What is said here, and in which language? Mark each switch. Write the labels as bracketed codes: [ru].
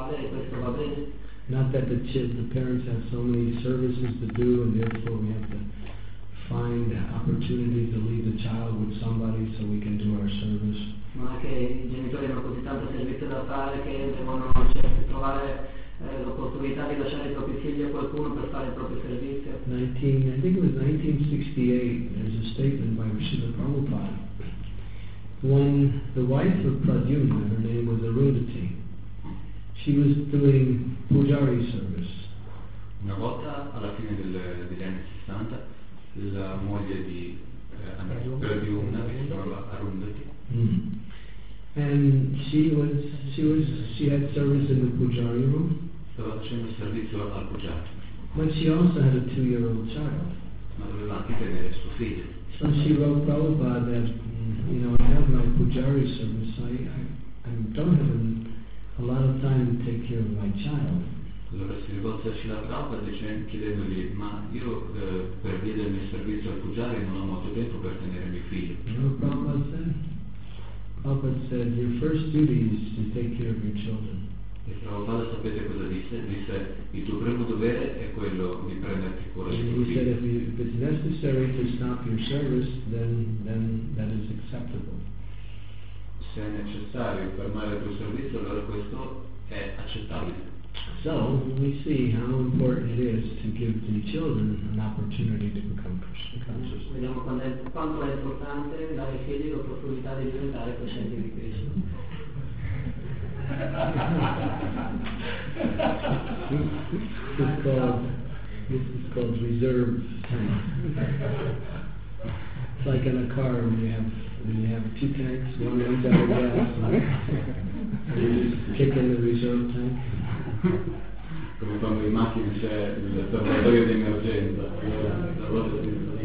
[en] Not that the parents have so many services to do, and therefore we have to find opportunities to leave the child with somebody so we can do our service. [it] Ma che i genitori hanno così tanto servizio da fare che devono trovare l'opportunità di lasciare i propri figli a qualcuno per fare il proprio servizio. [en] I think it was 1968, there's a statement by Srila Prabhupada. When the wife of Pradyumna, her name was Arundhati, she was doing pujari service. [it] Una volta, alla fine degli anni 60, la moglie di Pradyumna, che si chiamava Arundhati, [en] And she had service in the pujari room. [it] Stava facendo servizio al pujari. [en] But she also had a 2-year-old child. [it] Ma doveva anche tenere suo figlio. [en] So she wrote Prabhupada that, you know, I have my pujari service, I don't have a lot of time to take care of my child. [it] Allora si rivolse a Srila Prabhupada chiedendogli, ma io per via del mio servizio al pujari non ho molto tempo per tenere mio figlio. [en] No, Prabhupada said. Prabhupada said, your first duty is to take care of your children. [it] E Prabhupada sapete cosa disse? Disse, il tuo primo dovere è quello di prenderti cura di tuo figlio. [en] He said, if it's necessary to stop your service, then that is acceptable. [it] Se è necessario fermare il tuo servizio, allora questo è accettabile. [en] So, we see how important it is to give the children an opportunity to become Krishna conscious. [it] Vediamo quanto è importante dare ai figli l'opportunità di diventare coscienti di Krishna. [en] This is called reserve tank. It's like in a car when you have two tanks, one runs out of gas, and you just kick in the reserve tank. [it] Come quando in macchina c'è il serbatoio di emergenza, la roba si